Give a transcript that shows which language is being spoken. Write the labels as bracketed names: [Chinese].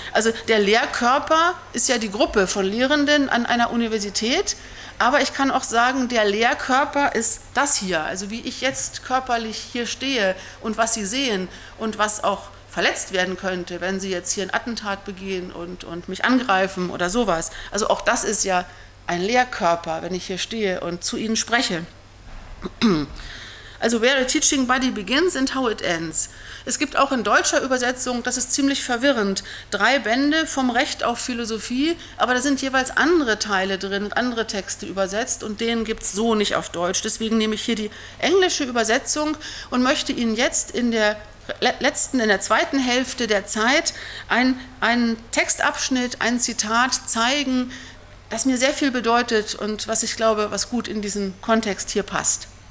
[German] Also der Lehrkörper ist ja die Gruppe von Lehrenden an einer Universität, aber ich kann auch sagen, der Lehrkörper ist das hier, also wie ich jetzt körperlich hier stehe und was Sie sehen und was auch verletzt werden könnte, wenn Sie jetzt hier ein Attentat begehen und mich angreifen oder sowas. Also auch das ist ja ein Lehrkörper, wenn ich hier stehe und zu Ihnen spreche. [English] Also where a teaching body begins and how it ends. [German] Es gibt auch in deutscher Übersetzung, das ist ziemlich verwirrend, 3 Bände vom Recht auf Philosophie, aber da sind jeweils andere Teile drin, andere Texte übersetzt und denen gibt es so nicht auf Deutsch. Deswegen nehme ich hier die englische Übersetzung und möchte Ihnen jetzt in der zweiten Hälfte der Zeit einen Textabschnitt, ein Zitat zeigen, das mir sehr viel bedeutet und was ich glaube, was gut in diesen Kontext hier passt.